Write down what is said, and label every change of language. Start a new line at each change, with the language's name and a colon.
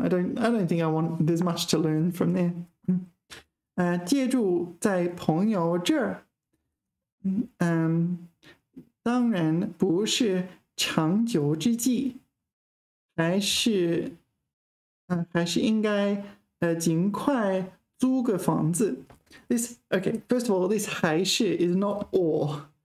English: I don't think I want there's much to learn from there.
Chinese: 借住在朋友这, 当然不是长久之计, 还是, 还是应该, 尽快租个房子.
English: This, okay, first of all, this 还是 is not or.